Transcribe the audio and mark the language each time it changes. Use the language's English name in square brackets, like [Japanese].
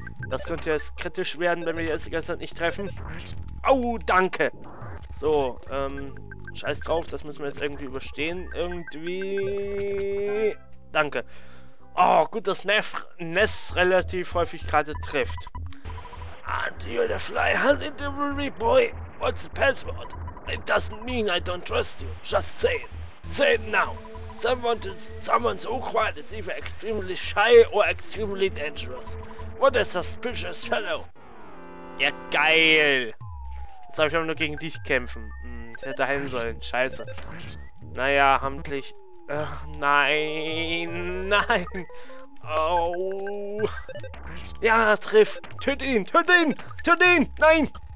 [German] Das könnte jetzt kritisch werden, wenn wir jetzt die ganze Zeit nicht treffen. Au, oh, danke. So, scheiß drauf, das müssen wir jetzt irgendwie überstehen. Irgendwie. Danke. Oh, gut, dass Ness relativ häufig gerade trifft. [English] And you're the fly hunting delivery boy. What's the password? It doesn't mean I don't trust you. Just say it. Say it now. Someone so quiet is either extremely shy or extremely dangerous. What a suspicious fellow! [German] Ja, geil! Jetzt habe ich aber nur gegen dich kämpfen. Ich hätte heilen sollen. Scheiße. Naja, amtlich. Nein! Oh! Ja, triff! Töt ihn! Nein!